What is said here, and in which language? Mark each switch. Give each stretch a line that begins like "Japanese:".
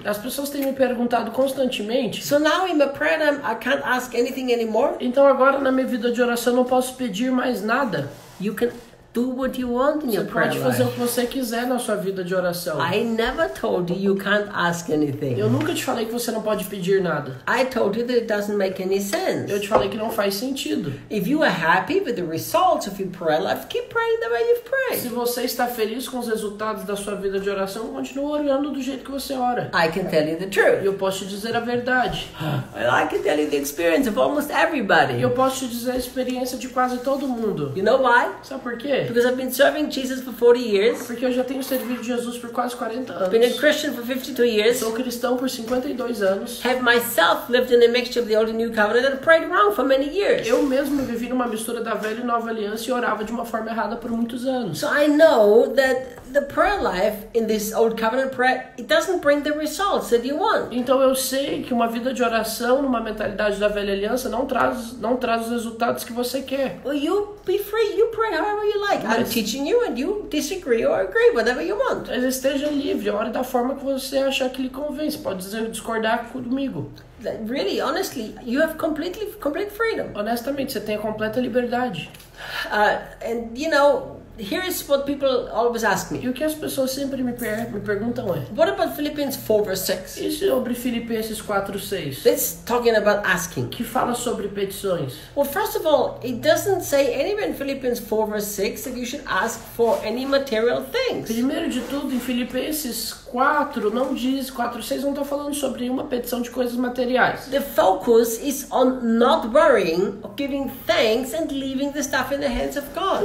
Portuguese: As pessoas têm me perguntado constantemente.
English: So now in my prayer I can't ask anything anymore.
Portuguese: Então agora na minha vida de oração não posso pedir mais nada.
English: You can do what you want in
Portuguese: Você
English: your prayer
Portuguese: pode fazer
English: life.
Portuguese: O que você quiser na sua vida de oração.
English: I never told you can't ask anything.
Portuguese: Eu nunca te falei que você não pode pedir nada.
English: I told you that it doesn't make any sense.
Portuguese: Eu te falei que não faz sentido.
English: If you are happy with the results of your prayer life, keep praying the way you've prayed.
Portuguese: Se você está feliz com os resultados da sua vida de oração, continue orando do jeito que você ora.
English: I can tell you the truth.
Portuguese: Eu posso te dizer a verdade.
English: I can tell you the experience of almost everybody.
Portuguese: Eu posso te dizer a experiência de quase todo mundo.
English: You know why?
Portuguese: Sabe por quê?
English: Because I've been serving Jesus for 40 years.
Portuguese: Porque eu já tenho servido Jesus por quase 40 anos.
English: Been a Christian for 52 years.
Portuguese: Sou cristão por 52 anos.
English: Have myself lived in a mixture of the old and new covenant and prayed wrong for many years.
Portuguese: Eu mesmo vivi numa mistura da velha e nova aliança e orava de uma forma errada por muitos anos.
English: So I know that the prayer life in this old covenant prayer, it doesn't bring the results that you want.
Portuguese: Então eu sei que uma vida de oração numa mentalidade da velha aliança não traz os resultados que você quer.
English: Well, you be free, you pray however you like. I'm teaching you and you disagree or agree, whatever you want.
Portuguese: Mas esteja livre, ore da forma que você achar que lhe convém. Você pode dizer, discordar comigo.
English: Really, honestly, you have complete freedom.
Portuguese: Honestamente, você tem a completa liberdade.
English: And you know, here is what people always ask me.
Portuguese: E o que as pessoas sempre me perguntam é:
English: what about Philippians 4, verse 6?
Portuguese: E sobre Filipenses 4, 6?
English: It's talking about asking.
Portuguese: Que fala sobre petições.
English: Well, first of all, it doesn't say anywhere in Philippians 4, verse 6 that you should ask for any material things.
Portuguese: Primeiro de tudo, em Filipenses quatro não diz, quatro, seis não estão falando sobre uma petição de coisas materiais.
English: The focus is on not worrying, giving thanks and leaving the stuff in the hands of God.